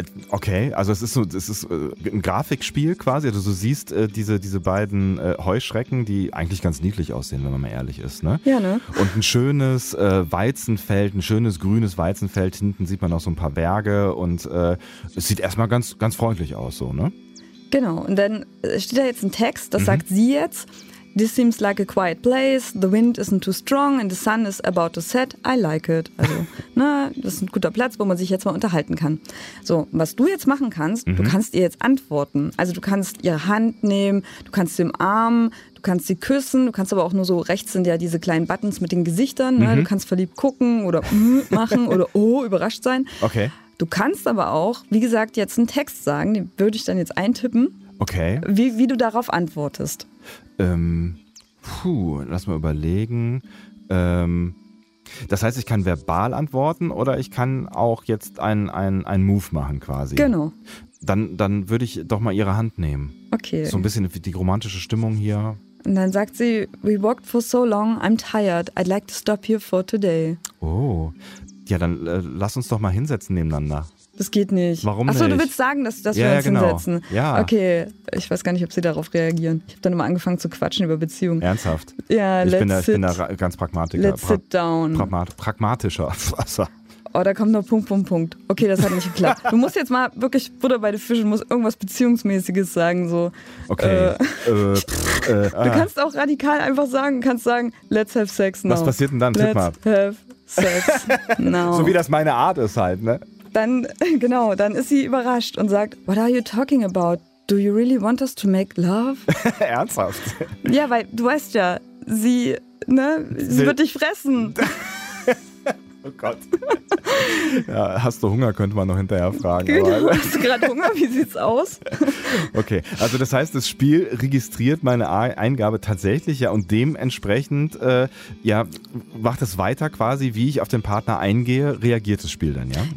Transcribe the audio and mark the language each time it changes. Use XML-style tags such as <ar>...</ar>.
<de>Okay, also es ist so, es ist ein Grafikspiel quasi. Also du siehst diese beiden Heuschrecken, die eigentlich ganz niedlich aussehen, wenn man mal ehrlich ist, ne? Ja, ne? Und ein schönes Weizenfeld, ein schönes grünes Weizenfeld. Hinten sieht man auch so ein paar Berge und es sieht erstmal ganz, ganz freundlich aus, so, ne? Genau, und dann steht da jetzt ein Text, das sagt sie jetzt.</de> <en>This seems like a quiet place, the wind isn't too strong and the sun is about to set, I like it.</en> <de>Also, na, das ist ein guter Platz, wo man sich jetzt mal unterhalten kann. So, was du jetzt machen kannst, du kannst ihr jetzt antworten. Also du kannst ihre Hand nehmen, du kannst sie im Arm, du kannst sie küssen, du kannst aber auch nur so, rechts sind ja diese kleinen Buttons mit den Gesichtern, ne? Du kannst verliebt gucken oder machen oder oh, überrascht sein. Okay. Du kannst aber auch, wie gesagt, jetzt einen Text sagen, den würde ich dann jetzt eintippen. Okay. Wie du darauf antwortest. Lass mal überlegen. Das heißt, ich kann verbal antworten oder ich kann auch jetzt einen Move machen quasi. Genau. Dann würde ich doch mal ihre Hand nehmen. Okay. So ein bisschen die romantische Stimmung hier. Und dann sagt sie,</de> <en>we walked for so long, I'm tired, I'd like to stop here for today.</en> <de>Oh, ja, dann lass uns doch mal hinsetzen nebeneinander. Das geht nicht. Warum nicht? Achso, du willst sagen, dass wir uns hinsetzen. Ja. Okay, ich weiß gar nicht, ob sie darauf reagieren. Ich habe dann immer angefangen zu quatschen über Beziehungen. Ernsthaft? Ja, ich bin da ganz Pragmatiker.</de> <en>Let's sit down.</en> <de>Pragmatischer. Oh, da kommt noch Punkt, Punkt, Punkt. Okay, das hat nicht geklappt. Du musst jetzt mal wirklich Butter bei den Fischen, musst irgendwas Beziehungsmäßiges sagen. So. Okay. Du kannst auch radikal einfach sagen,</de> <en>let's have sex now.</en> <de>Was passiert denn dann?</de> <en>Let's have sex now.</en> <de>So wie das meine Art ist halt, ne? Dann ist sie überrascht und sagt,</de> <en>what are you talking about? Do you really want us to make love?</en> <de>Ernsthaft? Ja, weil du weißt ja, sie, ne, sie wird dich fressen. Oh Gott. Ja, hast du Hunger, könnte man noch hinterher fragen. Genau, aber. Hast du gerade Hunger? Wie sieht's aus? Okay, also das heißt, das Spiel registriert meine Eingabe tatsächlich ja und dementsprechend macht es weiter quasi, wie ich auf den Partner eingehe, reagiert das Spiel dann, ja?</de>